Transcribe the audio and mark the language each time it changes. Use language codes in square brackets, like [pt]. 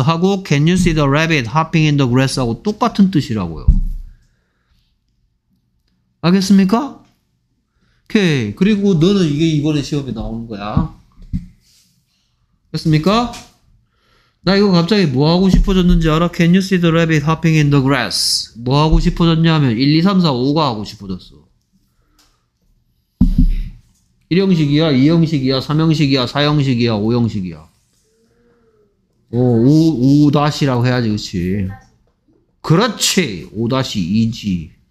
[en] 하고 Can you see the rabbit hopping in the grass? [ko] 하고 똑같은 뜻이라고요. 알겠습니까? 오케이. 그리고 너는 이게 이번에 시험에 나오는 거야. 됐습니까? 나 이거 갑자기 뭐 하고 싶어졌는지 알아? [en] Can you see the rabbit hopping in the grass? [ko] 뭐 하고 싶어졌냐면 1, 2, 3, 4, 5가 하고 싶어졌어. 1형식이야? 2형식이야? 3형식이야? 4형식이야? 5형식이야? 5-라고 해야지, 그치? 그렇지! 5-2지.